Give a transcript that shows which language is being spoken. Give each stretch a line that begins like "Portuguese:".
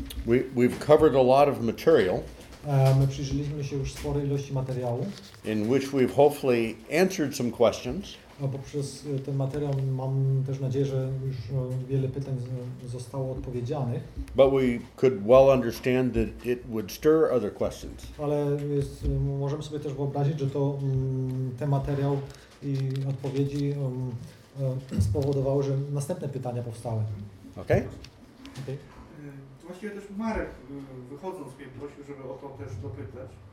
English: We've covered a lot of material.
Polish: My przyjrzeliśmy się już sporej ilości materiału.
English: In which we've hopefully answered some questions.
Polish: A poprzez ten materiał mam też nadzieję, że już wiele pytań zostało odpowiedzianych.
English: But we could well understand that it would stir other questions.
Polish: Ale jest, możemy sobie też wyobrazić, że to ten materiał i odpowiedzi spowodowały, że następne pytania powstały.
English: Okay. Okay.
Polish: Właściwie też Marek, wychodząc, mnie prosił, żeby o to też dopytać.